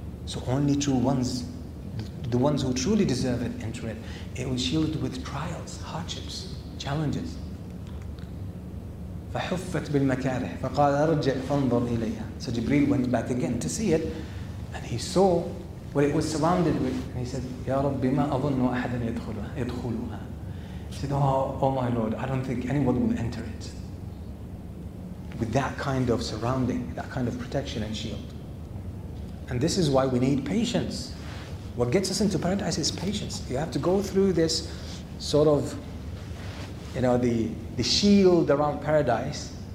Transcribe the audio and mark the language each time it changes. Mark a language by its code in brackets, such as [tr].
[en] So only true ones, the ones who truly deserve it, enter it. It was shielded with trials, hardships, challenges. [ar] فَحُفَّتْ بِالْمَكَارِهِ فَقَالَ أَرْجِعْ فَانْظُرْ إِلَيْهَا. So Jibreel went back again to see it, and he saw what it was surrounded with. [en] And he said, [ar] يَا رَبِّ مَا أَظُنُّ أَحَدًا يَدْخُلُهَا. [en] He said, oh my Lord, I don't think anyone will enter it with that kind of surrounding, that kind of protection and shield. And this is why we need patience. What gets us into paradise is patience. You have to go through this sort of, you know, the shield around paradise.